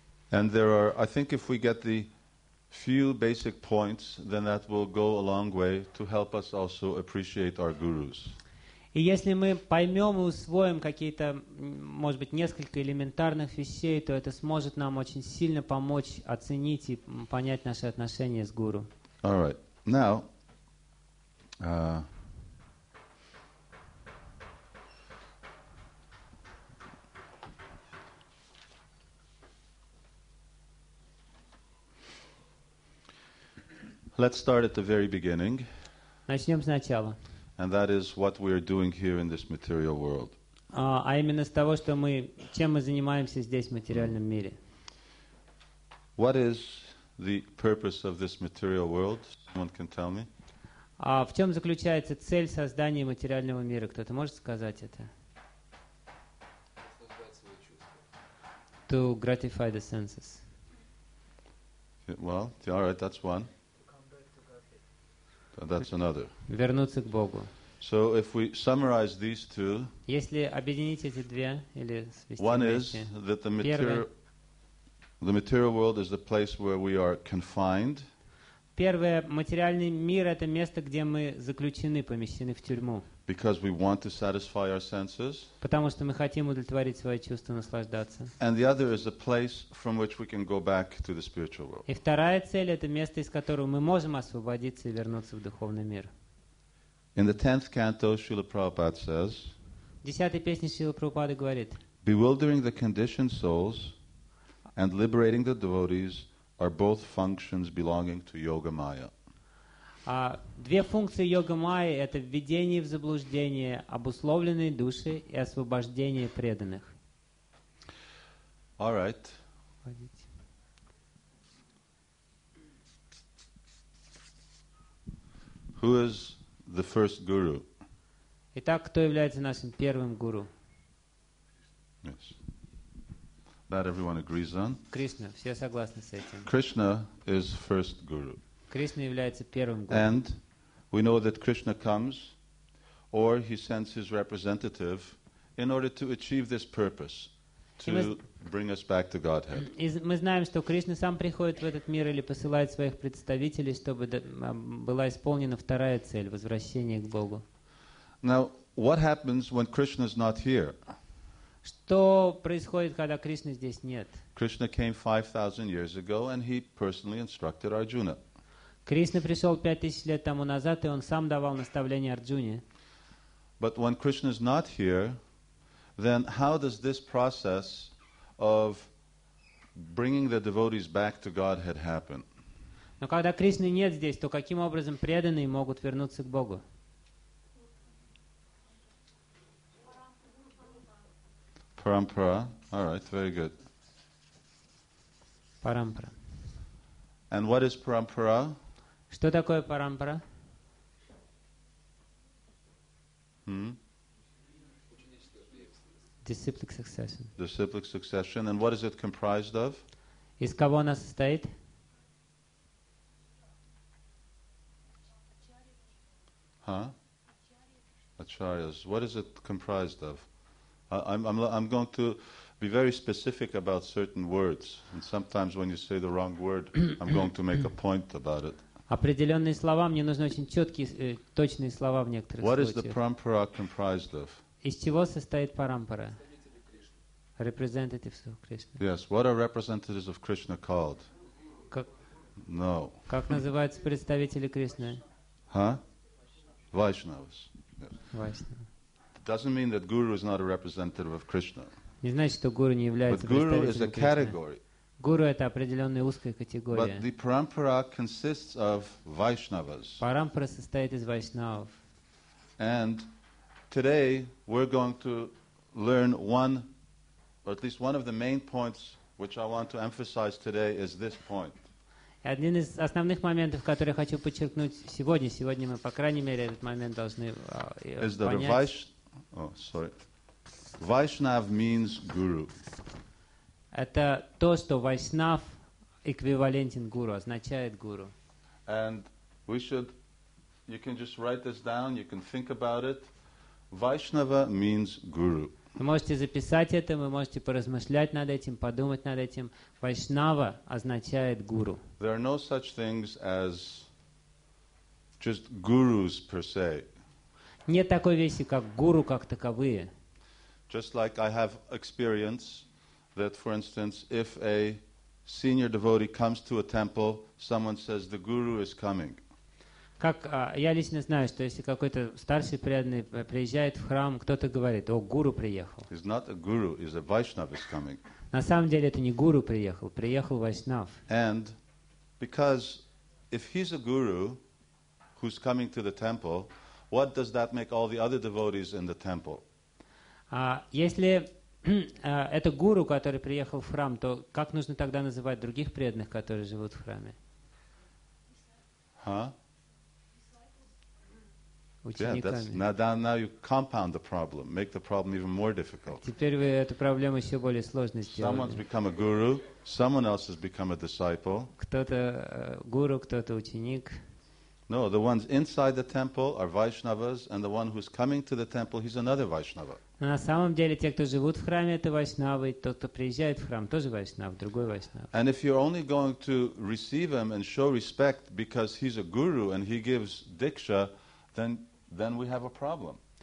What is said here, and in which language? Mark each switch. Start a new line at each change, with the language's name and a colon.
English: And there are, I think if we get the few basic points, then that will go a long way to help us also appreciate our gurus.
Russian: И если мы поймем и усвоим какие-то, может быть, несколько элементарных вещей, то это сможет нам очень сильно помочь оценить и понять наши отношения с гуру.
English: All right. Now, let's start at the very beginning.
Russian: Начнем сначала.
English: And that is what we are doing here in this material world.
Russian: А именно с того, что мы, чем мы занимаемся здесь, в материальном мире.
English: What is the purpose of this material world? Someone can tell me.
Russian: А в чем заключается цель создания материального мира? Кто-то может сказать это?
English: To gratify the senses. Well, all right, that's one. That's another.
Russian: Вернуться к Богу.
English: So if we summarize these two,
Russian: если объединить эти две или свести вместе,
English: one is that the material world is the place where we are confined.
Russian: Первое, материальный мир — это место, где мы заключены, помещены в тюрьму.
English: Because we want to satisfy our senses.
Russian: Потому что мы хотим удовлетворить свои чувства, наслаждаться.
English: And the other is a place from which we can go back to the spiritual world.
Russian: И вторая цель — это место, из которого мы можем освободиться и вернуться в духовный мир.
English: In the 10th canto, Srila Prabhupada says,
Russian: в 10-й песне Шрила Прабхупады говорит,
English: bewildering the conditioned souls and liberating the devotees are both functions belonging to yoga maya.
Russian: Две функции йога майи — это введение в заблуждение обусловленной души и освобождение преданных.
English: All right. Who is the first guru?
Russian: Итак, кто является нашим первым гуру?
English: Yes. That everyone agrees on.
Russian: Кришна. Все согласны с этим.
English: Krishna is first guru.
Russian: Кришна является первым гуру.
English: And we know that Krishna comes or he sends his representative in order to achieve this purpose to bring us back to Godhead.
Russian: Мы знаем, что Кришна сам приходит в этот мир или посылает своих представителей, чтобы была исполнена вторая цель — возвращение к Богу.
English: Now, what happens when Krishna is not here?
Russian: Что происходит, когда Кришны здесь нет?
English: Krishna came 5,000 years ago and he personally instructed Arjuna.
Russian: Кришна пришел 5000 лет тому назад, и он сам давал наставление Арджуне.
English: But when Krishna is not here, then how does this process of bringing the devotees back to Godhead happen?
Russian: Но когда Кришны нет здесь, то каким образом преданные могут вернуться к Богу?
English: Parampara. All right, very good. Parampara. And what is parampara?
Russian: Что такое парампара?
English: Disciplic succession. Disciplic succession. And what is it comprised of?
Russian: Из кого она состоит?
English: Acharyas. What is it comprised of? I'm going to be very specific about certain words. And sometimes when you say the wrong word, I'm going to make a point about it.
Russian: Определенные слова, мне нужны очень четкие, точные слова в некоторых
English: What
Russian: случаях.
English: Is the parampara comprised of?
Russian: Из чего состоит парампара?
English: Representatives of Krishna. Yes, what are representatives of Krishna called? No.
Russian: Как называются представители Кришны?
English: Vaishnavas. Yes. Doesn't mean that guru is not a representative of Krishna.
Russian: Не значит, что гуру не является представителем Кришны.
English: But guru is a category.
Russian: Гуру — это определенная узкая категория.
English: But the parampara consists of Vaishnavas.
Russian: Парампара состоит из вайшнавов.
English: And today we're going to learn one, or at least one of the main points which I want to emphasize today is this point.
Russian: Один из основных моментов, который я хочу подчеркнуть сегодня, сегодня мы, по крайней мере, этот момент должны понять.
English: Vaishnav means guru.
Russian: Это то, что Вайшнав эквивалентен гуру, означает гуру.
English: And we should, you can just write this down, you can think about it. Vaishnava means guru.
Russian: Вы можете записать это, вы можете поразмышлять над этим, подумать над этим. Вайшнава означает гуру.
English: There are no such things as just gurus per se.
Russian: Нет такой вещи, как гуру, как таковые.
English: Just like I have experience that, for instance, if a senior devotee comes to a temple, someone says, the guru is coming.
Russian: Как я лично знаю, что если какой-то старший преданный приезжает в храм, кто-то говорит: «О, гуру приехал».
English: He's not a guru, he's a Vaishnav is coming.
Russian: На самом деле это не гуру приехал, приехал Вайшнав.
English: And because if he's a guru who's coming to the temple, what does that make all the other devotees in the temple?
Russian: Если это гуру, который приехал в храм, то как нужно тогда называть других преданных, которые живут в храме?
English: Yeah, that's now you compound the problem, make the problem even more difficult.
Russian: Теперь вы эту проблему еще более сложно сделали.
English: Someone's become a guru, someone else has become a disciple.
Russian: Кто-то гуру, кто-то ученик.
English: No, the ones inside the temple are Vaishnavas, and the one who's coming to the temple, he's another Vaishnava.
Russian: На самом деле те, кто живут в храме, это Вайшнавы, тот, кто приезжает в храм, тоже Вайшнав, другой Вайшнав.
English: And if you're only going to receive him and show respect because he's a guru and he gives diksha, then we have a problem.